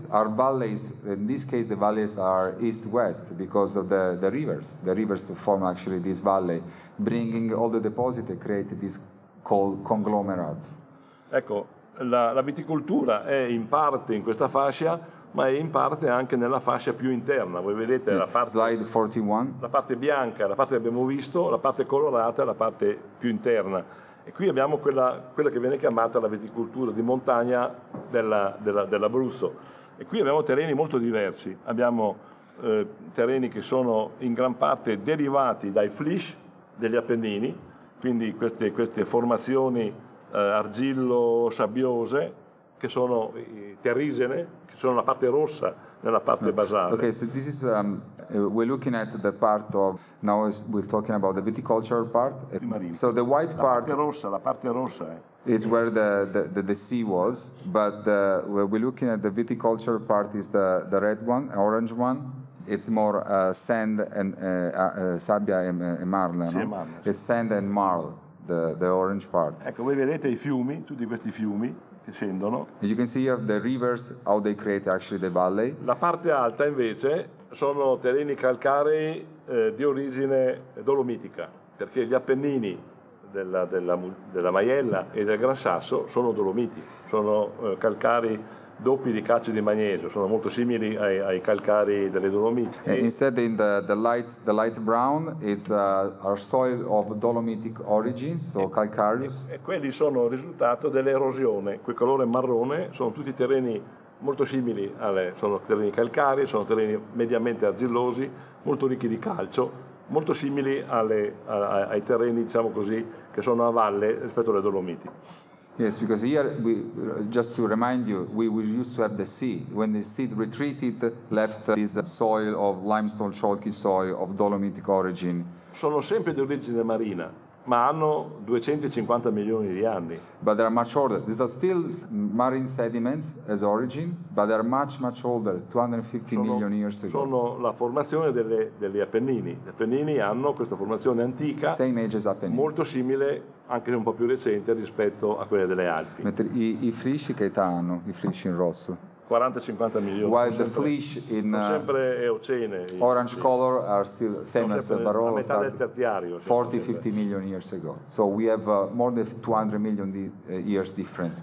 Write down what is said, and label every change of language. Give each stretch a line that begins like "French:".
English: Our valleys, in this case, the valleys are east-west because of the rivers. The rivers form actually this valley, bringing all the deposits that create these conglomerates.
Italian: Ecco, la viticoltura è in parte in questa fascia, ma è in parte anche nella fascia più interna. Voi vedete la parte,
English: slide 41.
Italian: La parte bianca, la parte che abbiamo visto, la parte colorata, la parte più interna. E qui abbiamo quella che viene chiamata la viticoltura di montagna dell'Abruzzo. E qui abbiamo terreni molto diversi. Abbiamo terreni che sono in gran parte derivati dai flysch degli Appennini, quindi queste formazioni argillo-sabbiose, che sono terrigene, che sono la parte rossa nella parte basale.
English: Okay, so this is We're looking at the part of, now we're talking about the viticulture part. So the white part,
Italian: la parte rossa.
English: Is where the sea was, but where we're looking at the viticulture part is the red one, orange one. It's more sand and sabbia e marle, no? It's sand and marl, the orange parts.
Italian: Ecco, voi vedete I fiumi, tutti questi fiumi che scendono.
English: You can see the rivers, how they create actually the valley.
Italian: La parte alta invece sono terreni calcarei di origine dolomitica, perché gli Appennini della Maiella e del Gran Sasso sono dolomiti, sono calcarei doppi di calcio di magnesio, sono molto simili ai calcarei delle Dolomiti.
English: Instead in the light brown is our soil of dolomitic origin, so calcareous.
Italian: E quelli sono il risultato dell'erosione, quel colore marrone sono tutti terreni molto simili, sono terreni calcarei, sono terreni mediamente argillosi, molto ricchi di calcio, molto simili ai terreni, diciamo così, che sono a valle rispetto alle Dolomiti.
English: Yes, because here, just to remind you, we used to have the sea. When the sea retreated, left this soil of limestone, chalky soil of dolomitic origin.
Italian: Sono sempre di origine marina, ma hanno 250 milioni di anni.
English: But they are much older. These are still marine sediments as origin, but they are much, much older, 250 million years ago.
Italian: Sono la formazione degli Appennini. Gli Appennini hanno questa formazione antica,
English: same age as Appennini.
Italian: Molto simile, anche un po' più recente, rispetto a quelle delle Alpi. Mentre I frisci che età hanno, I frisci in rosso? 40-50 milioni.
English: While the flesh in orange color are still same as the Barolo, 40-50 million years ago. So we have more than 200 million years difference.